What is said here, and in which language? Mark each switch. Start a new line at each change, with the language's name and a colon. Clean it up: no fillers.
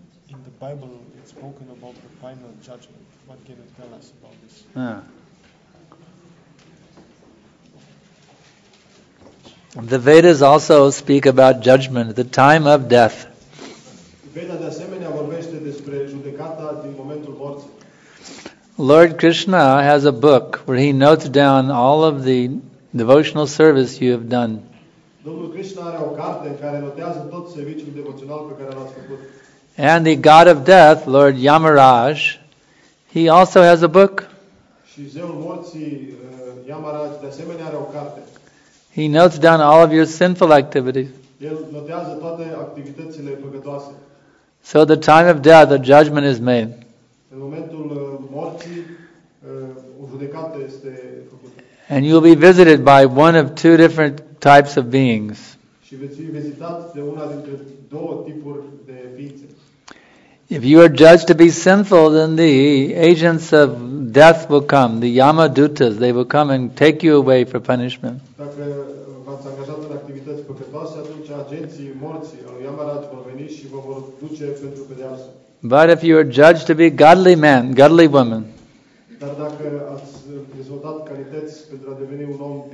English: In the Bible it's spoken about the final judgment. What can you tell us about this? The Vedas also speak about judgment, the time of death.
Romanian: Veda de asemenea vorbește despre judecata din momentul morții.
English: Lord Krishna has a book where he notes down all of the devotional service you have done.
Romanian: Domnul Krishna are o carte în care notează tot serviciul devoțional pe care l-ați făcut.
English: And the god of death, Lord Yamaraj, he also has a book.
Romanian: Și zeul morții, Yamaraj, de asemenea are o carte.
English: He notes down all of your sinful activities.
Romanian: El notează toate activitățile păcătoase.
English: So at the time of death, the judgment is made.
Romanian: În momentul morții, o judecată este făcută.
English: And you will be visited by one of two different types of beings.
Romanian: Și veți fi vizitat de una dintre două tipuri de ființe.
English: If you are judged to be sinful, then the agents of death will come, the Yama Dutas, they will come and take you away for punishment.
Romanian: Dacă v-ați angajat în activități păcătoase, atunci agenții morții al lui Yamaraj vor veni și vă vor duce pentru pedeapsă.
English: But if you are judged to be godly man, godly woman,
Romanian: dar dacă ați dezvoltat calități pentru a deveni un om,